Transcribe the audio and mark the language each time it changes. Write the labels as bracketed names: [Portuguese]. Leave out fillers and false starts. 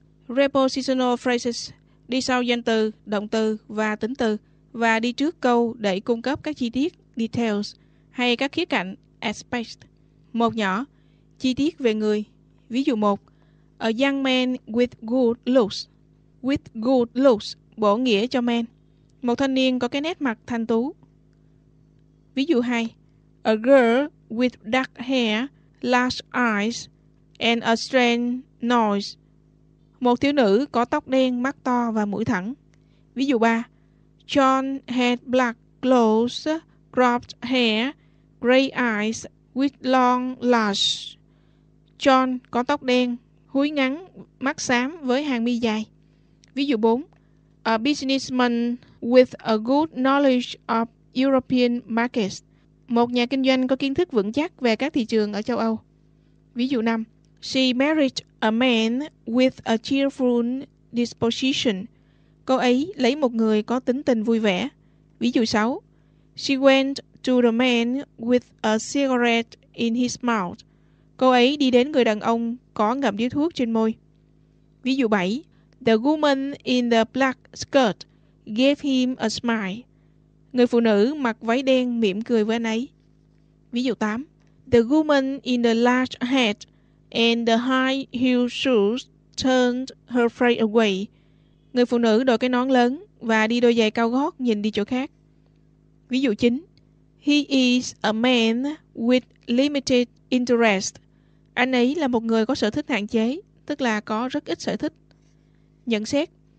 [Vietnamese] Prepositional phrases đi sau danh từ, động từ và tính từ, và đi trước câu để cung cấp các chi tiết details hay các khía cạnh aspect. Một nhỏ, chi tiết về người. Ví dụ 1. [English] A young man with good looks. With good looks [Vietnamese] bổ nghĩa cho man. Một thanh niên có cái nét mặt thanh tú. Ví dụ 2. [English] A girl with dark hair, large eyes and a strange nose. [Vietnamese] Một thiếu nữ có tóc đen, mắt to và mũi thẳng. Ví dụ 3. [English] John had black clothes, cropped hair, gray eyes with long lash. [Vietnamese] John có tóc đen, húi ngắn, mắt xám với hàng mi dài. Ví dụ 4. [English] A businessman with a good knowledge of European markets. [Vietnamese] Một nhà kinh doanh có kiến thức vững chắc về các thị trường ở châu Âu. Ví dụ 5. [English] She married a man with a cheerful disposition. [Vietnamese] Cô ấy lấy một người có tính tình vui vẻ. Ví dụ 6. [English] She went to the man with a cigarette in his mouth. [Vietnamese] Cô ấy đi đến người đàn ông có ngậm điếu thuốc trên môi. Ví dụ 7. [English] The woman in the black skirt gave him a smile. [Vietnamese] Người phụ nữ mặc váy đen mỉm cười với anh ấy. Ví dụ 8. [English] The woman in the large hat and the high heel shoes turned her face away. [Vietnamese] Người phụ nữ đội cái nón lớn và đi đôi giày cao gót nhìn đi chỗ khác. Ví dụ 9. [English] He is a man with limited interest. [Vietnamese] Anh ấy là một người có sở thích hạn chế, tức là có rất ít sở thích. Nhận xét.